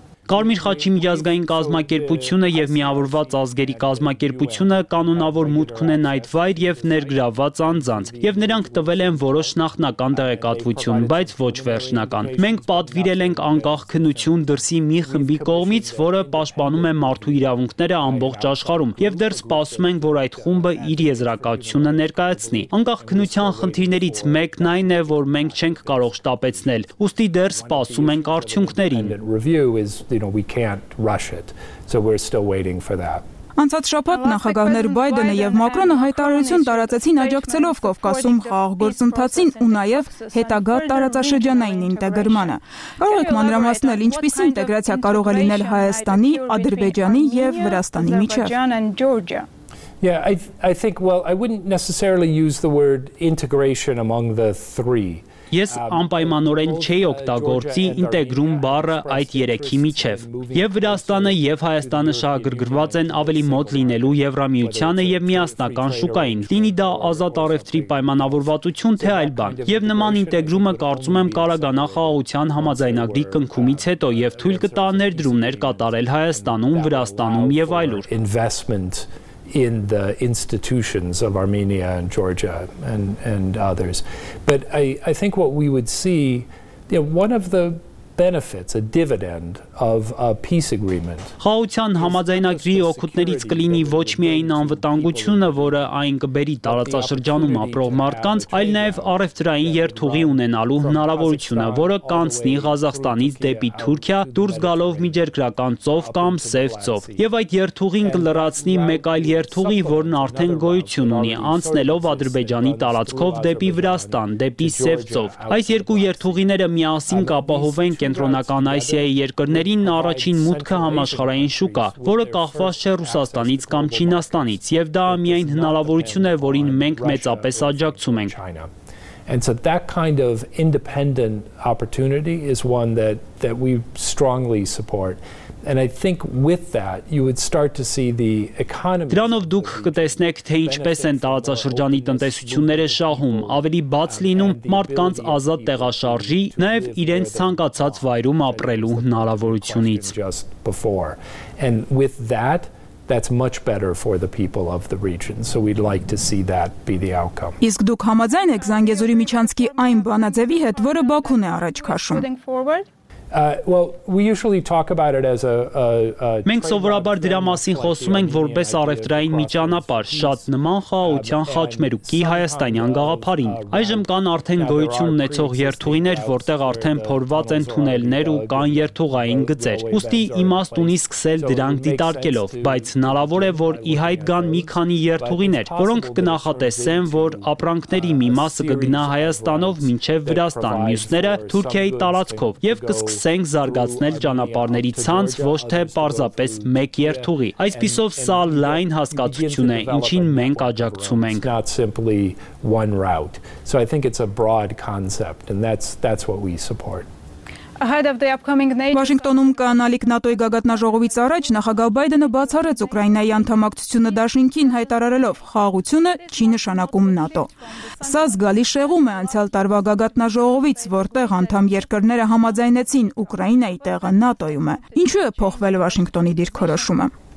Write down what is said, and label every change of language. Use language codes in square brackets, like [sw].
[hy] Կարմիր խաչի միջազգային կազմակերպությունը եւ միավորված ազգերի կազմակերպությունը կանոնավոր մուտք ունեն այդ վայր եւ ներգրավված անձանց եւ նրանք տվել են որոշ նախնական տեղեկատվություն, բայց ոչ վերջնական։ Մենք պատվիրել ենք անկախ քննություն դրսի մի խմբի կողմից, որը պաշտպանում է մարդու իրավունքները ամբողջ աշխարում եւ դեռ սպասում ենք, որ այդ խումբը իր եզրակացությունը ներկայացնի։ Անկախ քննության խնդիրներից մեկն այն է, որ մենք չենք կարող շտապեցնել, ուստի դեռ սպասում ենք արդյունքներին։ [en] We can't rush it, so we're still waiting for that. [hy] Անցած շաբաթ նախագահներ Բայդենը եւ Մակրոնը հայտարարություն տարածեցին աջակցելով Կովկասում խաղաղ գործընթացին ու նաեւ հետագա տարածաշրջանային ինտեգրմանը։ Կարող եք մանրամասնել, ինչպիսի ինտեգրացիա կարող է լինել Հայաստանի, Ադրբեջանի եւ Վրաստանի միջեւ։ [en] Yeah, I wouldn't necessarily use the word integration among the three. [hy] Ես անպայմանորեն չէի օգտագործի ինտեգրում բառը այդ երեքի միջև։ Եվ Վրաստանը, եւ Հայաստանը շահագրգռված են ավելի մոտ լինելու Եվրամիությանը եւ միասնական շուկային։ Լինի դա ազատ առևտրի պայմանավորվածություն, թե այլ բան։ Եվ նման ինտեգրումը կարծում եմ կարագանա խաղաղության համաձայնագրի կնքումից հետո եւ թույլ կտա ներդրումներ կատարել Հայաստանում, Վրաստանում եւ այլուր։ [en] In the institutions of Armenia and Georgia and others. But I think what we would see, you know, one of the benefits, a dividend of a peace agreement. [hy] Խաղաղության համաձայնագրի օգուտներից կլինի ոչ միայն անվտանգությունը, որը այն կբերի տարածաշրջանում ապրող մարդկանց, այլ նաև առևտրային երթուղի ունենալու հնարավորությունը, որը կանցնի Ղազախստանից դեպի Թուրքիա, դուրս գալով միջերկրական ծով կամ Սև ծով, եւ այդ երթուղին կլրացնի մեկ այլ երթուղի, որն արդեն գոյություն ունի, անցնելով Ադրբեջանի տարածքով դեպի Վրաստան, դեպի Սև ծով։ Այս երկու երթուղիները միասին կապահովեն Կենտրոնական Ասիայի երկրներին առաջին մուտքը համաշխարհային շուկա, որը կախված չէ Ռուսաստանից կամ Չինաստանից, եւ դա միայն հնարավորություն է, որին մենք մեծապես աջակցում ենք։ [en] And so that kind of independent opportunity is one that we strongly support. And I think with that you would start to see the economy. [hy] Դրանով դուք կտեսնեք, թե ինչպես են տարածաշրջանի տնտեսությունները շահում, ավելի բաց լինում մարդկանց ազատ տեղաշարժի, նաև իրենց ցանկացած վայրում ապրելու հնարավորությունից. [en] And with that that's much better for the people of the region, so we'd like to see that be the outcome. [hy] Իսկ դուք համաձայն եք Զանգեզուրի միջանցքի այն բանաձևի հետ, որը Բաքուն է առաջ քաշում? [en] Well, we usually talk about it as a [hy] Մենք սովորաբար դրա մասին խոսում ենք որպես առևտրային միջանապարհ, շատ նման խաղաղության խաչմերուկի հայաստանյան գաղափարին։ Այժմ կան արդեն գոյություն ունեցող երթուղիներ, որտեղ արդեն փորված են թունելներ ու կան երթուղային գծեր։ Ուստի իմաստ ունի սկսել դրանք դիտարկելով, բայց հնարավոր է, որ ի հայտ գան մի քանի երթուղիներ, որոնք կնախատեսեն, որ ապրանքների մի մասը կգնա Հայաստանով մինչև Վրաստան, մյուսները Թուրքիայի տարածքով, եւ սկսենք զարգացնել ճանապարհների ցանց, ոչ թե պարզապես մեկ երթուղի։ Այսպիսով սա լայն հասկացություն է, ինչին մենք աջակցում ենք։ [en] One route. So I think it's a broad concept and that's what we support. Ahead of the upcoming NATO. [hy] Վաշինգտոնում կանալիք ՆԱՏՕ-ի գագաթնաժողովից առաջ նախագահ Բայդենը բացառեց Ուկրաինայի անդամակցությունը Դաշնքին, հայտարարելով. Խաղաղությունը չի նշանակում ՆԱՏՕ։ Սա զգալի շեղում է անցյալ տարվա գագաթնաժողովից, որտեղ անդամ երկրները համաձայնեցին Ուկրաինայի տեղը ՆԱՏՕ-ում է։ Ինչու է փոխվել Վաշինգտոնի դիրքորոշումը։